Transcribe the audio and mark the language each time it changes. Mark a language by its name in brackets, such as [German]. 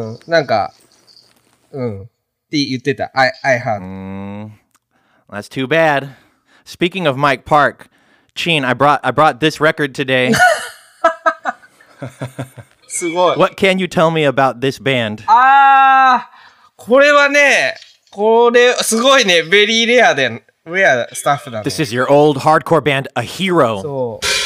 [Japanese] なんか、って言ってた。 [English] I heard. That's too bad. Speaking of Mike Park, Chin, I brought this record today. [Japanese] すごい。 [English] What can you tell me about this band? [Japanese] これはね、これ、すごいね。 [English] Very rare then. Rare stuff, though. This is your old hardcore band, A Hero. So...